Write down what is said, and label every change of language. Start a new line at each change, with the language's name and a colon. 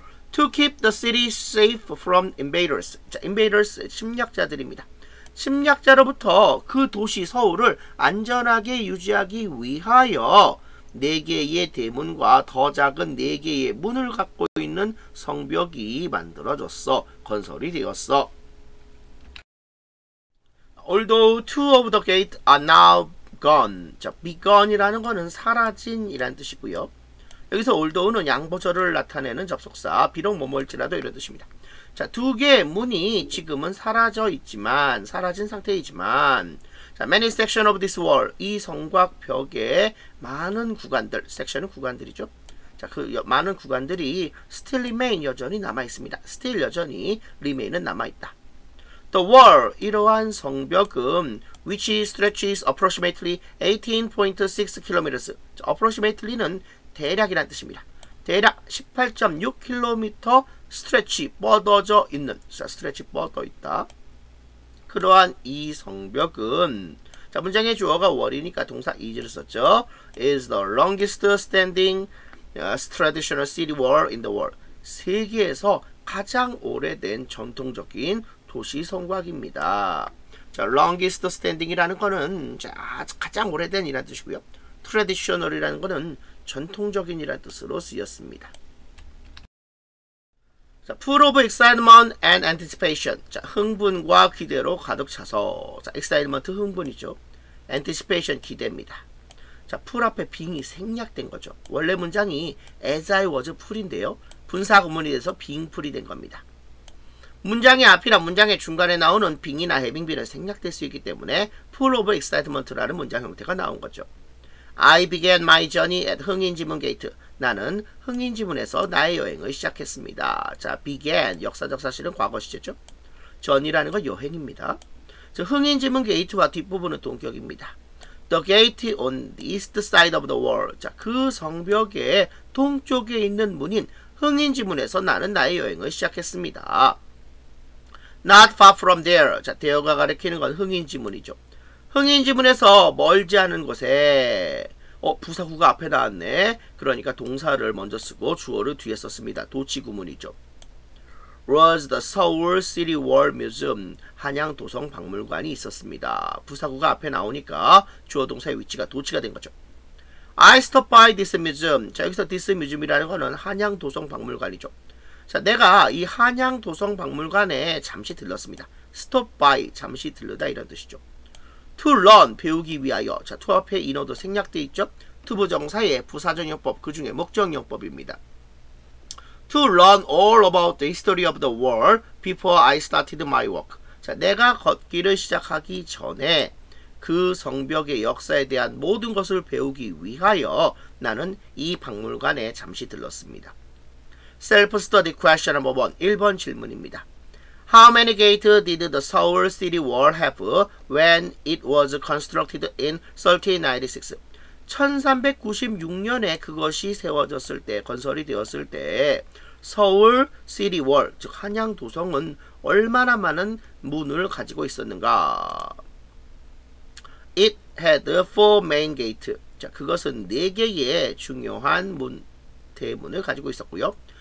English: to keep the city safe from invaders. 자, invaders,
Korean: 침략자들입니다. 침략자로부터 그 도시, 서울을 안전하게 유지하기 위하여 네 개의 대문과 더 작은 네 개의 문을 갖고 있는 성벽이 만들어졌어. 건설이 되었어.
English: Although two of the gates are now gone.
Korean: 자, be gone이라는 거는 사라진이라는 뜻이고요. 여기서 although는 양보절을 나타내는 접속사. 비록 뭐뭐일지라도 이런 뜻입니다. 자, 두 개의 문이 지금은 사라져 있지만, 사라진 상태이지만, 자,
English: many sections of this wall.
Korean: 이 성곽 벽에 많은 구간들, section은 구간들이죠. 자, 그 많은 구간들이
English: still remain,
Korean: 여전히 남아있습니다.
English: still
Korean: 여전히,
English: remain은
Korean: 남아있다.
English: The wall,
Korean: 이러한 성벽은
English: which stretches approximately 18.6 km.
Korean: approximately는 대략이란 뜻입니다. 대략 18.6km 스트레치 뻗어져 있는, 자, 스트레치 뻗어있다. 그러한 이 성벽은, 자, 문장의 주어가 wall이니까 동사 is를 썼죠.
English: is the longest standing traditional city wall in the world.
Korean: 세계에서 가장 오래된 전통적인 도시 성곽입니다. 자, longest standing이라는 거는 가장 오래된 이란 뜻이고요. traditional이라는 거는 전통적인 이란 뜻으로 쓰였습니다.
English: Full of excitement and anticipation.
Korean: 자, 흥분과 기대로 가득 차서. 자, excitement 흥분이죠. anticipation 기대입니다. 자, full 앞에 being이 생략된 거죠. 원래 문장이 as I was full인데요. 분사 구문이 돼서 being full이 된 겁니다. 문장의 앞이나 문장의 중간에 나오는 being이나 having been은 생략될 수 있기 때문에 full of excitement라는 문장 형태가 나온 거죠.
English: I began my journey at 흥인지문 gate.
Korean: 나는 흥인지문에서 나의 여행을 시작했습니다. 자, began, 역사적 사실은 과거시제죠. journey라는 건 여행입니다. 즉, 흥인지문 게이트와 뒷부분은 동격입니다.
English: The gate on the east side of the wall.
Korean: 자, 그 성벽의 동쪽에 있는 문인 흥인지문에서 나는 나의 여행을 시작했습니다.
English: Not far from there.
Korean: 자, 대어가 가리키는 건 흥인지문이죠. 흥인지문에서 멀지 않은 곳에 부사구가 앞에 나왔네. 그러니까 동사를 먼저 쓰고 주어를 뒤에 썼습니다. 도치구문이죠.
English: Was the Seoul City War Museum
Korean: 한양도성 박물관이 있었습니다. 부사구가 앞에 나오니까 주어 동사의 위치가 도치가 된 거죠.
English: I stop by this museum.
Korean: 자, 여기서 this museum이라는 거는 한양도성박물관이죠. 자, 내가 이 한양도성박물관에 잠시 들렀습니다. stop by, 잠시 들르다 이런 뜻이죠.
English: to learn,
Korean: 배우기 위하여. 자, to 앞에 인어도 생략되어 있죠. to 부정사의 부사정용법, 그 중에 목적용법입니다.
English: to learn all about the history of the world before I started my work.
Korean: 자, 내가 걷기를 시작하기 전에 그 성벽의 역사에 대한 모든 것을 배우기 위하여 나는 이 박물관에 잠시 들렀습니다.
English: Self-study question number 1.
Korean: 1번 질문입니다.
English: How many gates did the Seoul city wall have when it was constructed in 1396?
Korean: 1396년에 그것이 세워졌을 때, 건설이 되었을 때 서울 시티 월, 즉 한양도성은 얼마나 많은 문을 가지고 있었는가?
English: It had four main gates.
Korean: 자, 그것은 네 개의 중요한 문 대문을 가지고 있었고요.